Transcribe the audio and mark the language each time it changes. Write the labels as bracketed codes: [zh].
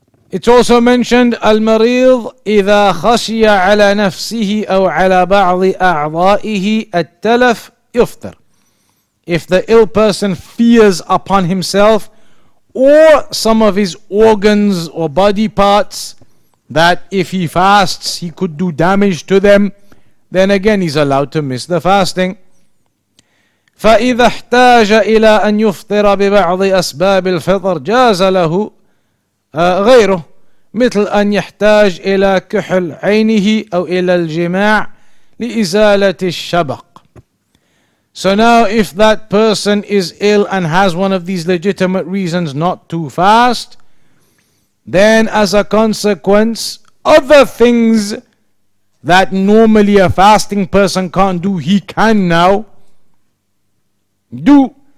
[en] It's also mentioned, [ar] المريض إذا خشي على نفسه أو على بعض أعضائه التلف يفطر. [en] If the ill person fears upon himself or some of his organs or body parts that if he fasts he could do damage to them, then again he's allowed to miss the fasting. [ar] فإذا احتاج إلى أن يفطر ببعض أسباب الفطر جاز له غيره مثل أن يحتاج إلى كحل عينه أو إلى الجماع لإزالة الشبق. [en] So now if that person is ill and has one of these legitimate reasons not to fast, then as a consequence, other things that normally a fasting person can't do, he can now do.